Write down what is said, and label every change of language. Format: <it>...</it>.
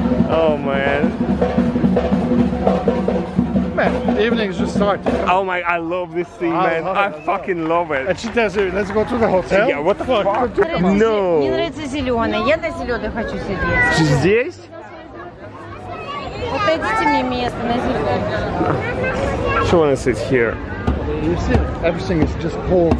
<en>Oh man. Man, evening's just starting. Oh my, I love this scene, man. I fucking love it. And she tells you, let's go to the hotel. Yeah, what the fuck? No.</en> <ru>Мне нравится зеленый. Я на зеленый хочу сидеть. Здесь? Отойдите мне место на зеленый.</ru> <en>She wanna sit here. You see, everything is just cold.</en>